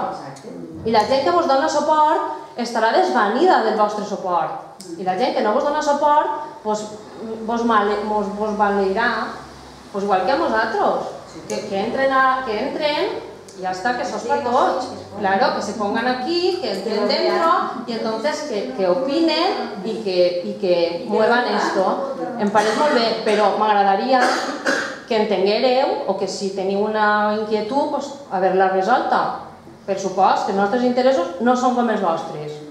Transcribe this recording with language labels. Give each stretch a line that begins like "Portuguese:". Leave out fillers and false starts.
Catalan: Exacte. I la gent que vos dona suport estarà desvanida del vostre suport. I la gent que no vos dona suport, pues, vos valerà, pues igual que a nosaltres. Que entren, que entren i ja està, que això és per tots.
Spanish: Claro, que se pongan aquí, que entren dentro i entonces que opinen i que muevan esto.
Catalan: Em pareix molt bé, però m'agradaria que entenguereu o que si teniu una inquietud, pues, haver-la resolta. Per supost, que els nostres interessos no són com els vostres.